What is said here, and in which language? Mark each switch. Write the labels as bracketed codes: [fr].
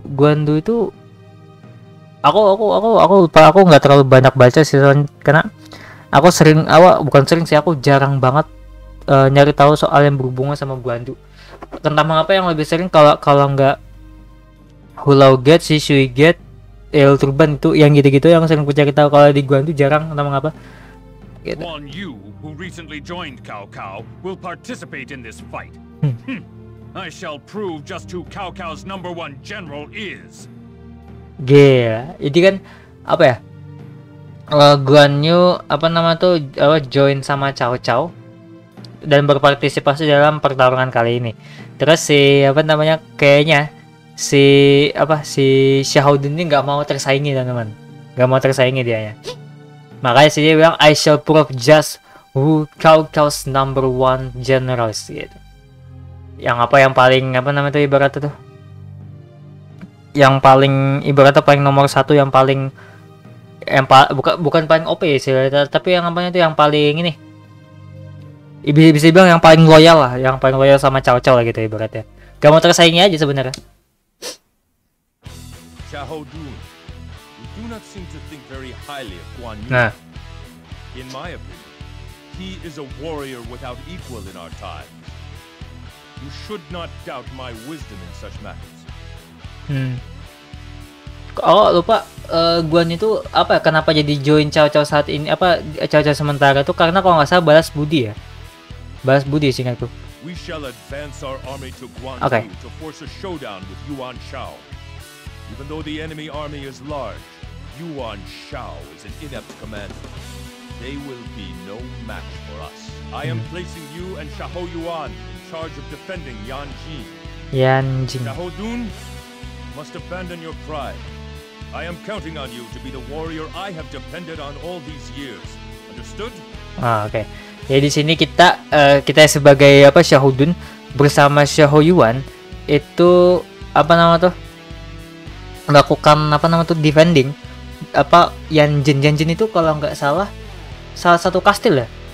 [id] Guandu itu aku nggak terlalu banyak baca sih, karena aku sering awak bukan sering sih aku jarang banget nyari tahu soal yang berhubungan sama Guandu. Tentang apa yang lebih sering kalau nggak Hulao Gate, Si Shui Gate, El Turban, itu yang gitu-gitu yang sering aku cari tahu. Kalau di Guandu jarang tentang apa gitu. [en] Guan Yu, who recently joined Cao Cao, will participate in this fight. I shall prove just who Cao Cao's number one general is. [id] Gila, jadi kan apa ya, Guan Yu apa nama tuh join sama Cao Cao dan berpartisipasi dalam pertarungan kali ini. Terus si apa namanya, kayaknya si apa si Xiaodun ini nggak mau tersaingi teman-teman, nggak mau tersaingi dianya. Makanya sih dia bilang [en] I shall prove just who Cao Cao's number one general is, [id] gitu. Yang apa, yang paling apa namanya tuh ibaratnya tuh yang paling ibaratnya paling nomor satu, bukan paling OP sih, tapi yang apanya itu yang paling ini, bisa bilang yang paling loyal lah, yang paling loyal sama Cao-Cao gitu ibaratnya. Gak mau tersaingi aja sebenarnya. [en] Xiaodun, you do not seem to think very highly of Guan Yu. Nah, in my opinion, he is a warrior without equal in our time. You should not doubt my wisdom in such matters. [id] Oh lupa, Guan itu apa, kenapa jadi join Cao-Cao saat ini, apa Cao-Cao sementara itu, karena kalau nggak salah balas budi ya, balas budi sih ingatku. [en] We shall advance our army to Guan Yu to force a showdown with Yuan Shao. Even though the enemy army is large, Yuan Shao is an inept commander. They will be no match for us. I am placing you and Shao Yuan in charge of defending Yan Jin. Xiaodun must abandon your pride. I am counting on you to be the warrior I have depended on all these years. Understood? Ah, oke. Okay. [id] Jadi di sini kita kita sebagai apa, Xiaodun bersama Xiao Yuan itu apa nama tuh? Melakukan apa nama tuh defending apa Yan Jin itu kalau nggak salah salah satu kastil ya?